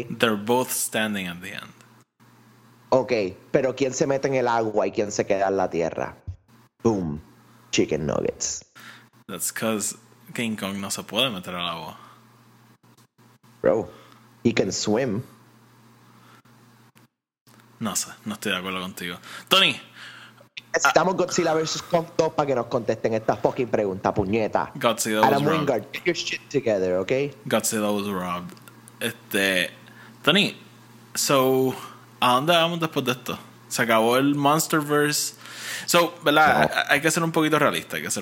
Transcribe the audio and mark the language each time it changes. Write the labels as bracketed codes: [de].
[en] They're both standing at the end. [es] Ok, pero ¿quién se mete en el agua y quién se queda en la tierra? [en] Boom, chicken nuggets. That's because [es] King Kong no se puede meter al agua. [en] Bro, he can swim. [es] No sé, no estoy de acuerdo contigo. Tony, necesitamos Godzilla vs. Kong 2 para que nos contesten esta fucking pregunta, puñeta. [en] Godzilla was Adam Wingard, get your shit together, okay? Godzilla was robbed. [es] Este, Tony, so, ¿a dónde vamos después de esto? Se acabó el Monsterverse. So, ¿verdad? No. Hay que ser un poquito realista.